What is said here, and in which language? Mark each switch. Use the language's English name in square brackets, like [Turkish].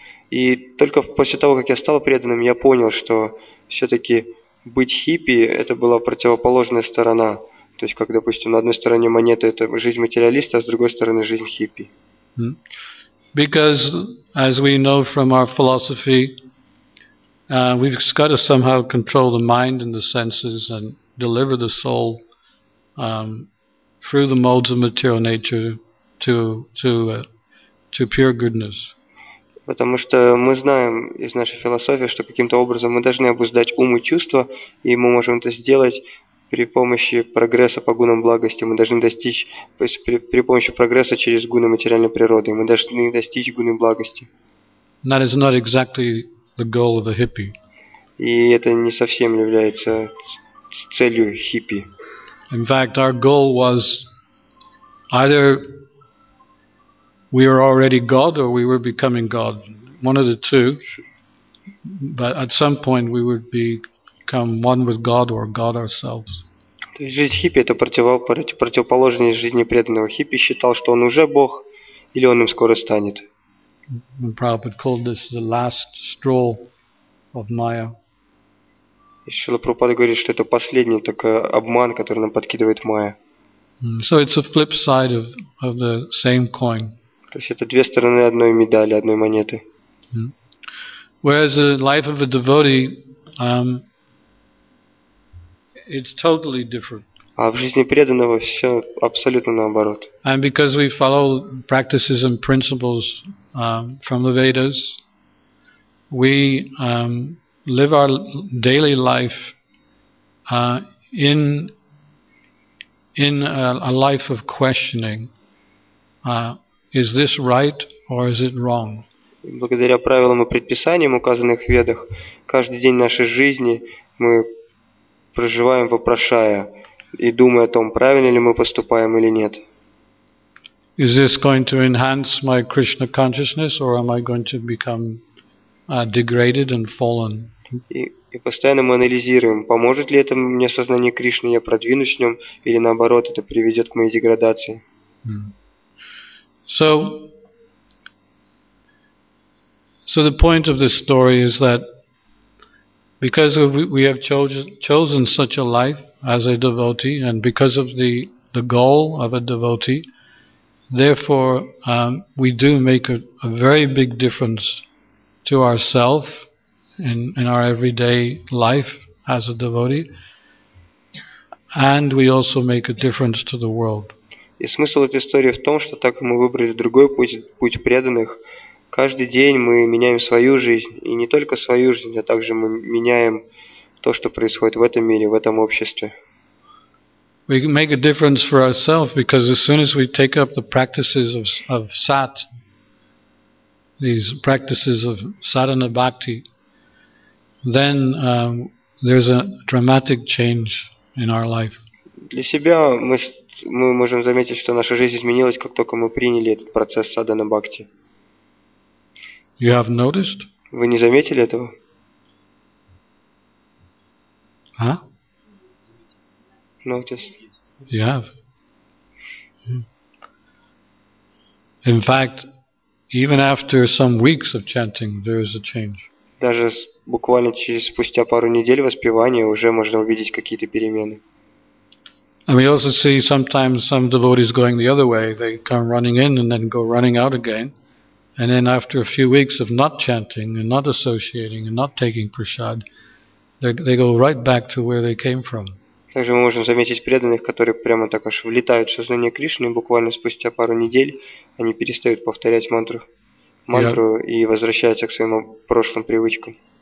[Russian] И только после того, как я стал преданным, я понял, что все-таки быть хиппи – это была противоположная сторона. То есть, как, допустим, на одной стороне монеты – это жизнь материалиста, а с другой стороны – жизнь хиппи. [English] Because, as we know from our philosophy, we've got to somehow control the mind and the senses and deliver the soul through the modes of material nature to pure goodness. [Russian] Потому что мы знаем из нашей философии, что каким-то образом мы должны обуздать ум и чувства, и мы можем это сделать при помощи прогресса по гунам благости. Мы должны достичь, то есть при помощи прогресса через гуны материальной природы, мы должны достичь гуны благости. [English] That is not exactly the goal of a hippie. [Russian] И это не совсем является целью хиппи. [English] In fact, our goal was either we were already God or we were becoming God. One of the two. But at some point we would become one with God or God ourselves. [Russian] То есть жизнь хиппи – это противоположность жизни преданного. Хиппи считал, что он уже Бог или он им скоро станет. [English] And Prabhupada called this the last straw of Maya. [Russian] И Шрила Прабхупада говорит, что это последний такой обман, который нам подкидывает Майя. [English] So it's a flip side of the same coin. [Russian] То есть это две стороны одной медали, одной монеты. [English] Whereas the life of a devotee, it's totally different. [Russian] А в жизни преданного все абсолютно наоборот. [English] And because we follow practices and principles from the Vedas, we live our daily life in a life of questioning. Is this right or is it wrong? [Russian] Благодаря правилам и предписаниям, указанных в Ведах, каждый день нашей жизни мы проживаем, вопрошая и думая о том, правильно ли мы поступаем или нет. [English] Is this going to enhance my Krishna consciousness or am I going to become degraded and fallen? [Russian] И постоянно мы анализируем, поможет ли это мне сознание Кришны, я продвинусь в нем, или наоборот, это приведет к моей деградации. [English] So the point of this story is that because we have chosen such a life as a devotee, and because of the goal of a devotee, Therefore, we do make a very big difference to ourselves in our everyday life as a devotee, and we also make a difference to the world. [Russian] И смысл этой истории в том, что так мы выбрали другой путь, путь преданных. Каждый день мы меняем свою жизнь, и не только свою жизнь, а также мы меняем то, что происходит в этом мире, в этом обществе. [English] We make a difference for ourselves because as soon as we take up the practices of sat, these practices of sadhana bhakti, then there's a dramatic change in our life. [Russian] Для себя мы можем заметить, что наша жизнь изменилась, как только мы приняли этот процесс садхана бхакти. [English] You have noticed? [Russian] Вы не заметили этого? А? [English] Noticed. You have. In fact, even after some weeks of chanting, there is a change. [Russian] Даже буквально спустя пару недель воспевания уже можно увидеть какие-то перемены. [English] And we also see sometimes some devotees going the other way. They come running in and then go running out again. And then after a few weeks of not chanting and not associating and not taking prasad, they go right back to where they came from. [Russian] Также мы можем заметить преданных, которые прямо так аж влетают в сознание Кришны, и буквально спустя пару недель они перестают повторять мантру и возвращаются к своим прошлым привычкам.